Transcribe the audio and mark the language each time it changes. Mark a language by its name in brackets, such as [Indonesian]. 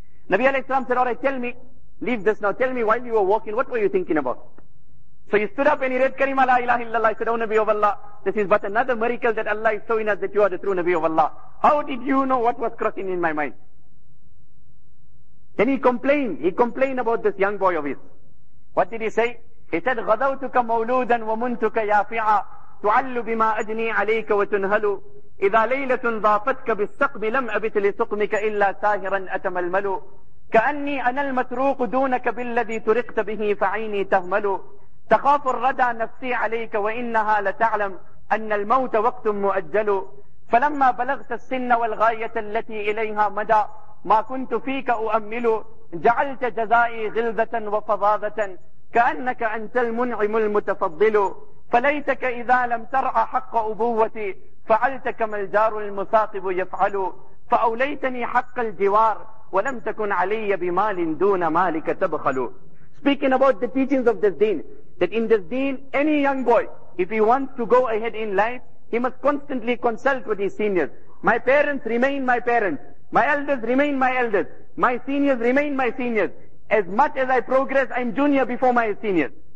[English] Nabi alayhi salam said, alright, tell me, leave this now, tell me while you were walking, what were you thinking about? So he stood up and he read Kareem, la ilaha illallah. He said, O Nabi of Allah, this is but another miracle that Allah is showing us that you are the true Nabi of Allah. How did you know what was crossing in my mind? Then he complained about this young boy of his. What did he say? He said, [Arabic] غَذَوْتُكَ مَوْلُودًا وَمُنْتُكَ يَافِعًا تُعَلُّ بِمَا أَجْنِي عَلَيْكَ وَتُنْهَلُ إِذَا لَيْلَةٌ ضَافَتْكَ بِالسَّقْبِ لَمْ أَبِتْ لِسُقْمِكَ إِلَّا سَاهِرًا أَتَمَلْمَلُ كَأَنِّي أَنَا الْمَتْرُوقُ دُونَكَ بِالَّذِي تُرِقْتَ بِهِ فَعَيْنِي تَهْمَلُ تَخَافُ الرَّدَى نَفْسِي عَلَيْكَ وَإِنَّهَا لَتَعْلَمُ أَنَّ الْمَوْتَ وَقْتٌ مُؤَجَّلُ فَلَمَّا بَلَغْتَ السِّنَّ وَالْغَايَةَ الَّتِي إِلَيْهَا مَدَى مَا كُنْتُ فِيكَ أُؤَمِّلُ جَعَلْتَ جَزَائِي غِلْظَةً وَفَظَاظَةً كأنك أنت المنعم المتفضل فليتك إذا لم ترع حق أبوتي فعلت كما الجار المثاقب يفعل فأوليتني حق الجوار ولم تكن علي بمال دون مالك تبخل. [English] Speaking about the teachings of this deen, that in this deen, any young boy, if he wants to go ahead in life, he must constantly consult with his seniors. My parents remain my parents. My elders remain my elders. My seniors remain my seniors. As much as I progress, I'm junior before my seniors.